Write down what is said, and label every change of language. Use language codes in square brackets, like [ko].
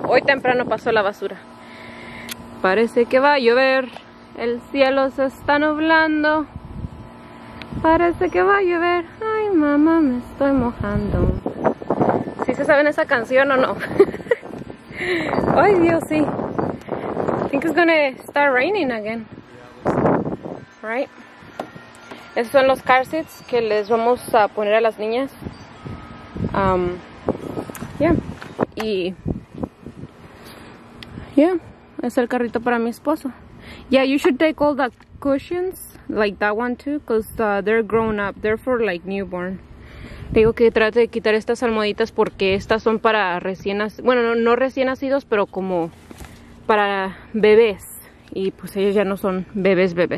[es] hoy temprano pasó la basura. Parece que va a llover. El cielo se está nublando. Parece que va a llover. Ay, mamá, me estoy mojando. ¿Sí se saben esa canción o no? Ay, Dios, sí. [en] Think it's gonna start raining again. Right? [es] Esos son los car seats que les vamos a poner a las niñas. [en] Yeah. Y... [es] yeah. Es el carrito para mi esposo. [en] Yeah, you should take all the cushions. Like that one too, because they're grown up. They're for like newborn. [es] Digo que trate de quitar estas almohaditas porque estas son para recién nacidos. Bueno, no recién nacidos, pero como para bebés. Y pues ellos ya no son bebés.